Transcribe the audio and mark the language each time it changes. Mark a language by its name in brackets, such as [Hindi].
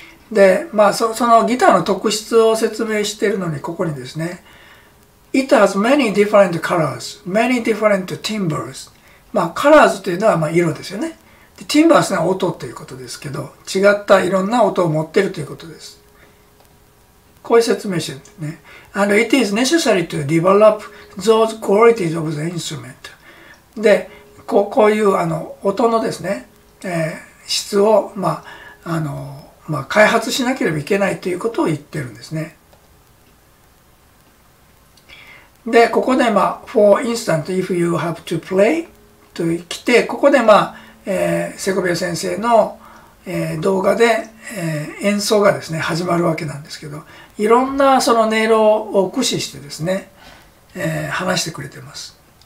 [Japanese] で、まあ、そのギターの特質を説明しているのに、ここにですね、 [English] It has many different colors, many different timbres. [Japanese] まあ、colors というのは、まあ、色ですよね。で、timbres は音ということですけど、違ったいろんな音を持っているということです。こういう説明してるんですね。 [English] And it is necessary to develop those qualities of the instrument. [Japanese] で、こういう、あの、音のですね、質を、まあ、開発しなければいけないということを言ってるんですね。で、ここで、まあ、 [English] for instance, if you have to play, [Japanese] と来て、ここで、まあ、セコビア先生の、動画で、演奏がですね、始まるわけなんですけど、いろんなその音色を駆使してですね、話してくれてます。